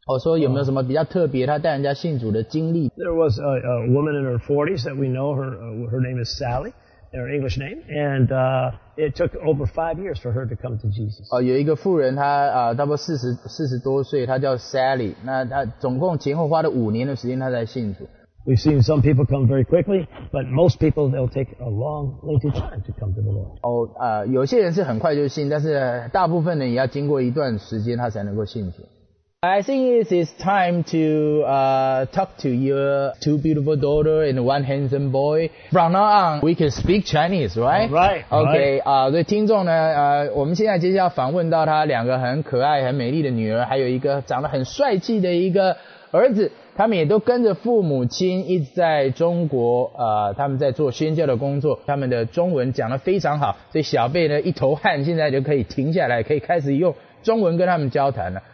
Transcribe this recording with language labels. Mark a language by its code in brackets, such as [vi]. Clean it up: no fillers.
[zh] 说有没有什么比较特别他带人家信主的经历 [en] ？There was a woman in her 40s that we know. Her name is Sally, her English name, and it took over 5 years for her to come to Jesus. [zh] 有一个妇人她差不多40多岁，她叫 Sally， 那她总共前后花了5年的时间她才信主。 [en] We've seen some people come very quickly, but most people they'll take a long, lengthy time to come to the Lord. [zh] 有些人是很快就信，但是大部分人也要经过一段时间他才能够信主。 [en] I think it is time to talk to your two beautiful daughter and one handsome boy. From now on, we can speak Chinese, right? Right. Okay. [zh] 所以听众呢，我们现在接下来要访问到他两个很可爱、很美丽的女儿，还有一个长得很帅气的一个儿子。他们也都跟着父母亲一直在中国，他们在做宣教的工作。他们的中文讲得非常好，所以小贝呢一头汗，现在就可以停下来，可以开始用中文跟他们交谈了。